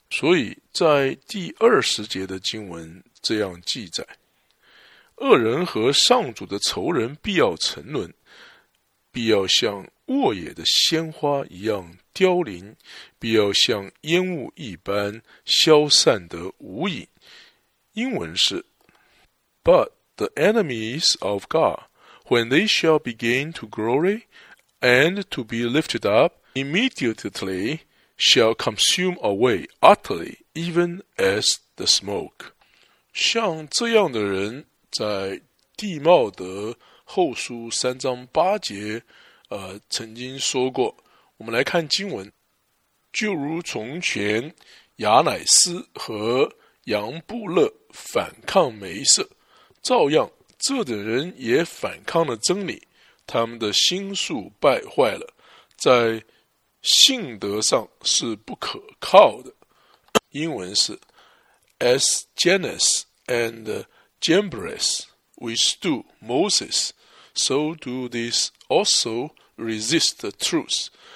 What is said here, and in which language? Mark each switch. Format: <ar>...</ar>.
<zh>所以在第20节的经文这样记载，恶人和上主的仇人必要沉沦，必要像沃野的鲜花一样凋零，必要像烟雾一般消散得无影。英文是</zh> <en>But the enemies of God, when they shall begin to glory and to be lifted up, immediately shall consume away utterly, even as the smoke.</en> <zh>像这样的人在地茂德后书三章八节曾经说过。我们来看经文，就如从前亚乃斯和杨布勒反抗梅瑟，照样这等人也反抗了真理，他们的心术败坏了，在信德上是不可靠的。英文是</zh> <en>As Janus and Jambres withstood Moses, so do these also resist the truth.</en>